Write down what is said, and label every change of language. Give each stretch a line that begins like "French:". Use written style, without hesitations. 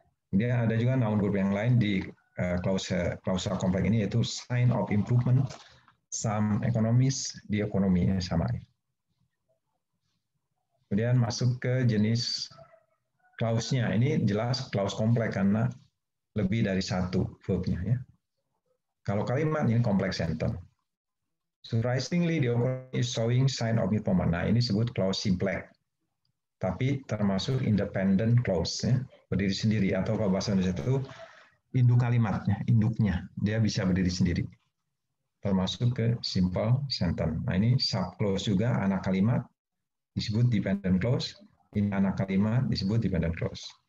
Indonesian: Dia ada juga noun group yang lain di klausa komplek ini, yaitu sign of improvement, some economists, di ekonominya sama. Kemudian masuk ke jenis klausnya, ini jelas klaus komplek karena lebih dari satu verb-nya ya. Kalau kalimat ini complex sentence.
English: Surprisingly, the economy is showing sign of improvement.
Indonesian: Nah, ini disebut clause simplex. Tapi termasuk independent clause, ya. Berdiri sendiri atau kalau bahasa Indonesia itu induk kalimatnya, induknya. Dia bisa berdiri sendiri. Termasuk ke simple sentence. Nah, ini sub clause juga, anak kalimat disebut dependent clause, ini anak kalimat disebut dependent clause.